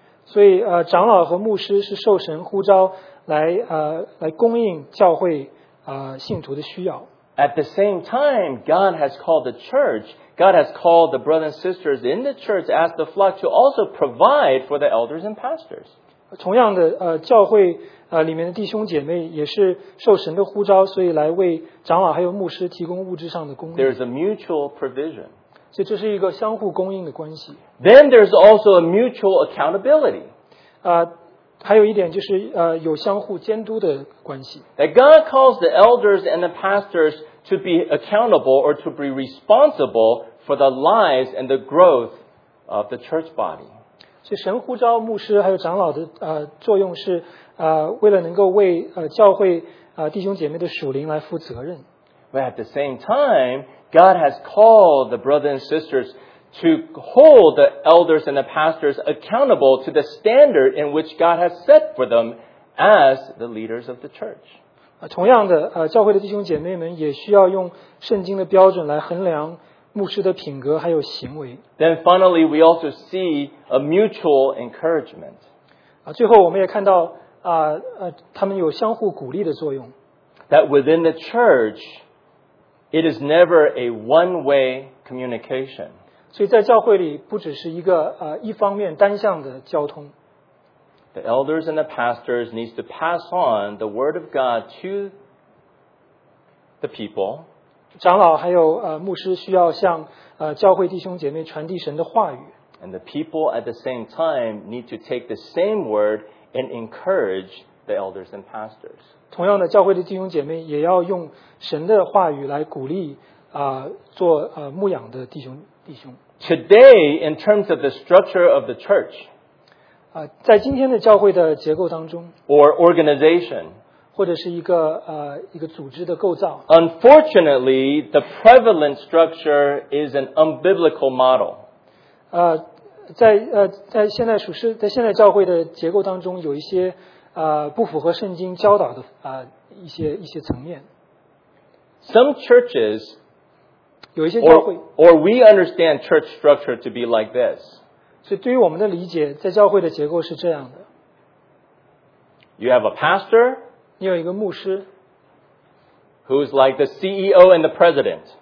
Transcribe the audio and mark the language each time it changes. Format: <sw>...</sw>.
<zh>所以长老和牧师是受神呼召来来供应教会信徒的需要。</zh> <en>At the same time, God has called the church, God has called the brothers and sisters in the church as the flock to also provide for the elders and pastors.</en> <zh>同样的教会里面的弟兄姐妹也是受神的呼召，所以来为长老还有牧师提供物质上的供应。</zh> <en>There's a mutual provision.</en> <zh>所以这是一个相互供应的关系。</zh> <en>Then there's also a mutual accountability.</en> <zh>还有一点就是有相互监督的关系。</zh> <en>That God calls the elders and the pastors to be accountable or to be responsible for the lives and the growth of the church body.</en> <zh>所以神呼召牧师还有长老的作用是为了能够为教会弟兄姐妹的属灵来负责任。</zh> <en>But at the same time, God has called the brothers and sisters to hold the elders and the pastors accountable to the standard in which God has set for them as the leaders of the church.</en> <zh>同样的教会的弟兄姐妹们也需要用圣经的标准来衡量牧师的品格还有行为。</zh> <en>Then finally, we also see a mutual encouragement.</en> <zh>最后我们也看到他们有相互鼓励的作用。</zh> <en>That within the church, it is never a one-way communication.</en> <zh>所以在教会里不只是一个一方面单向的交通。</zh> <en>The elders and the pastors need to pass on the word of God to the people.</en> <zh>长老还有牧师需要向教会弟兄姐妹传递神的话语。</zh> <en>And the people at the same time need to take the same word and encourage the elders and pastors.</en> <zh>同样的教会的弟兄姐妹也要用神的话语来鼓励做牧养的弟兄。</zh> <en>Today, in terms of the structure of the church,</en> <zh>在今天的教会的结构当中</zh> <en>or organization,</en> <zh>或者是一个组织的构造</zh> <en>unfortunately, the prevalent structure is an unbiblical model.</en> <zh>在现在教会的结构当中有一些不符合圣经教导的一些层面。</zh> <en>Some churches,</en> <zh>有一些教会</zh> <en>or we understand church structure to be like this.</en> <zh>所以对于我们的理解，在教会的结构是这样的。</zh> <en>You have a pastor.</en> <zh>你有一个牧师。</zh> <en>Who is like the CEO and the president.</en>